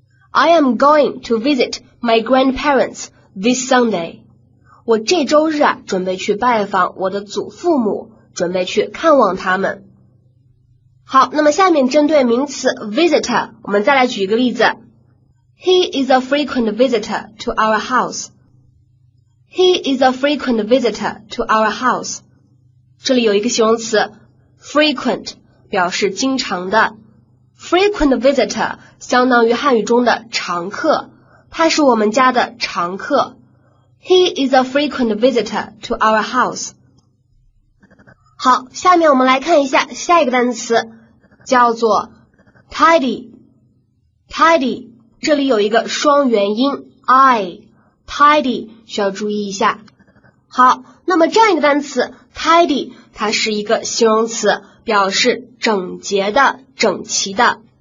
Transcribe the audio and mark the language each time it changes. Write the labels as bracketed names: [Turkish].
[English] I am going to visit my grandparents this Sunday. [Chinese] 我这周日啊，准备去拜访我的祖父母，准备去看望他们。好，那么下面针对名词 visitor， 我们再来举一个例子。 [English] He is a frequent visitor to our house. He is a frequent visitor to our house. [Chinese] 这里有一个形容词 frequent， 表示经常的。 Frequent visitor 相当于汉语中的常客，他是我们家的常客。 [English] He is a frequent visitor to our house. [Chinese] 好，下面我们来看一下下一个单词，叫做 tidy。 tidy 这里有一个双元音 i， tidy 需要注意一下。好，那么这样一个单词 tidy， 它是一个形容词，表示整洁的、整齐的。